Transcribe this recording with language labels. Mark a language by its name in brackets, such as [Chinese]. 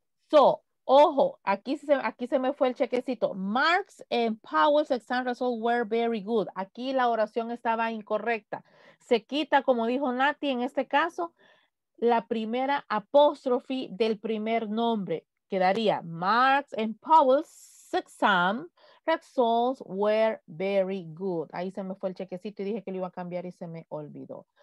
[Spanish] So, ojo, aquí se me fue el chequecito. [English] Marx and Powell's exam results were very good. [Spanish] Aquí la oración estaba incorrecta. Se quita, como dijo Nati, en este caso, la primera apóstrofe del primer nombre. Quedaría [English] Marx and Powell's exam results were very good. [Spanish] Ahí se me fue el chequecito y dije que lo iba a cambiar y se me olvidó.